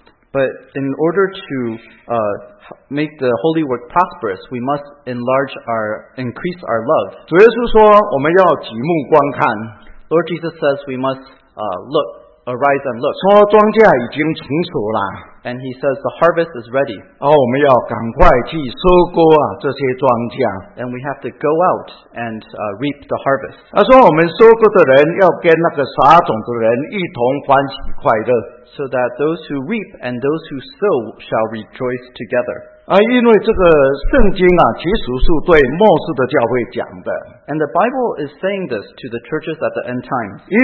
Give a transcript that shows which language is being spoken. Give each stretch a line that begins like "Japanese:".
English: But in order to make the holy work prosperous, we must enlarge our, increase our love.
Chinese: 主耶稣说我们要举目观看。
English: Lord Jesus says we must look, arise and look.
Chinese: 说庄稼已经成熟了。
English: And he says the harvest is ready.
Chinese: 哦，我们要赶快去收割啊，这些庄稼。
English: And we have to go out and reap the harvest.
Chinese: 他说我们收割的人要跟那个撒种的人一同欢喜快乐。
English: So that those who reap and those who sow shall rejoice together.
Chinese: 因为这个圣经啊，其实是对末世的教会讲的。
English: And the Bible is saying this to the churches at the end times.